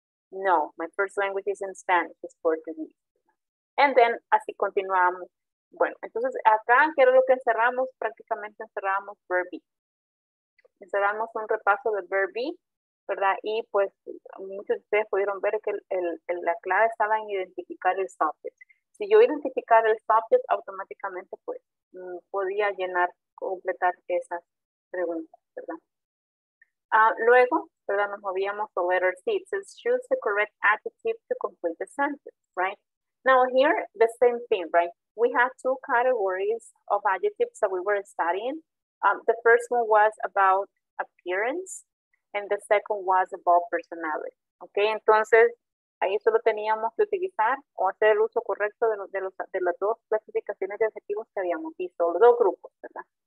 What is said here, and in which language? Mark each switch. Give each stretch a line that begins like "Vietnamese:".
English: No, my first language is in Spanish, it's Portuguese. And then
Spanish: así continuamos. Bueno, entonces acá quiero lo que encerramos, prácticamente encerramos verb be. Encerramos un repaso de verb be, ¿verdad? Y pues muchos de ustedes pudieron ver que la clave estaba en identificar el subject. Si yo identificara el subject, automáticamente pues podía llenar, completar esas preguntas, ¿verdad? Luego, ¿verdad? Nos movíamos a letter C.
English: It says, choose the correct adjective to complete the sentence, right? Now here, the same thing, right? We have two categories of adjectives that we were studying. The first one was about appearance, and the second was about personality.
Spanish: Okay, entonces, ahí solo teníamos que utilizar o hacer el uso correcto de las dos clasificaciones de adjetivos que habíamos visto, los dos grupos, ¿verdad?